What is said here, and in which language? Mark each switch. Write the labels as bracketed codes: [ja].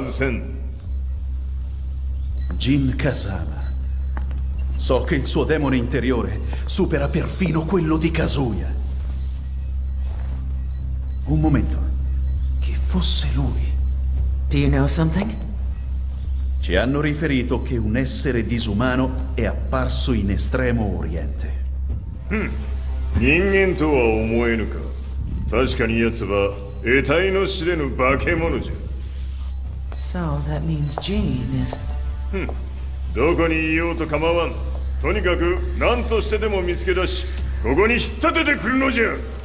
[ja] デビルという存在を世に知らしめ、わしの正当性を主張するには、やはりジンは外せん。Jin Kazama. [it] So che il suo demone interiore supera perfino quello di Kazuya. Un momento. Che fosse lui? [en] Do you know something? [it] Ci hanno riferito che un essere disumano è apparso in Estremo Oriente. [ja] Hmm. 人間とは思えぬか? 確かに奴は得体の知れぬ化け物じゃ。 [en] So that means Jean is... [ja] どこにいようと構わん。とにかく何としてでも見つけ出し、 ここに引っ立ててくるのじゃ!